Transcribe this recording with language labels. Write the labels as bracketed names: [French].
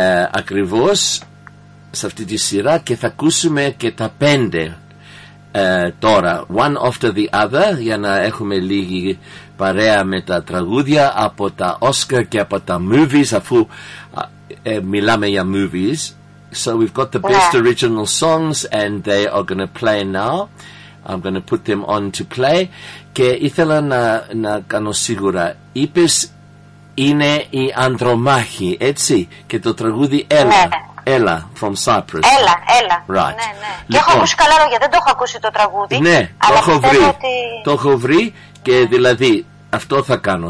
[Greek] Ακριβώς σε αυτή τη σειρά και θα ακούσουμε και τα πέντε τώρα. [English] One after the other, [Greek] για να έχουμε λίγη παρέα με τα τραγούδια από τα Oscar και από τα movies, αφού μιλάμε για movies. [English] So we've got the best original songs and they are going to play now. I'm going to put them on to play. [Greek] Και ήθελα να κάνω σίγουρα, είπες είναι η Ανδρομάχη, έτσι, και το τραγούδι Έλα. [English] Έλα, from Cyprus. [Greek] Έλα, έλα. [English] Right. [Greek] Ναι, ναι. Λοιπόν, και έχω ακούσει καλά λόγια, δεν το έχω ακούσει το τραγούδι. Ναι, αλλά το έχω βρει και δηλαδή αυτό θα κάνω.